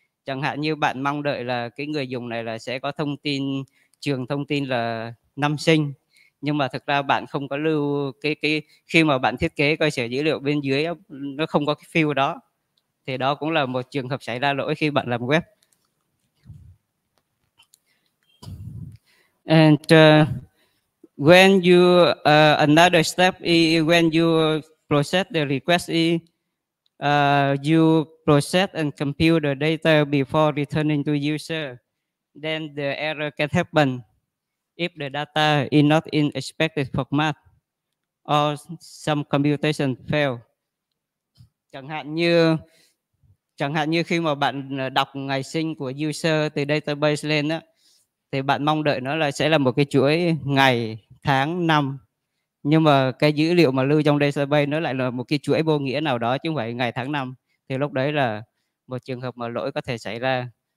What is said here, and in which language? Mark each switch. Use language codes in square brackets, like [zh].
[vi] Chẳng hạn như bạn mong đợi là cái người dùng này là sẽ có thông tin trường thông tin là năm sinh, nhưng mà thực ra bạn không có lưu cái khi mà bạn thiết kế cơ sở dữ liệu bên dưới nó không có cái field đó, thì đó cũng là một trường hợp xảy ra lỗi khi bạn làm web. [en] And when you another step is when you process the request is you process and compute the data before returning to user, then the error can happen if the data is not in expected format or some computation fail. [vi] Chẳng hạn như khi mà bạn đọc ngày sinh của user từ database lên á, thì bạn mong đợi nó là sẽ là một cái chuỗi ngày, tháng, năm, nhưng mà cái dữ liệu mà lưu trong database nó lại là một cái chuỗi vô nghĩa nào đó chứ không phải ngày, tháng, năm, thì lúc đấy là một trường hợp mà lỗi có thể xảy ra.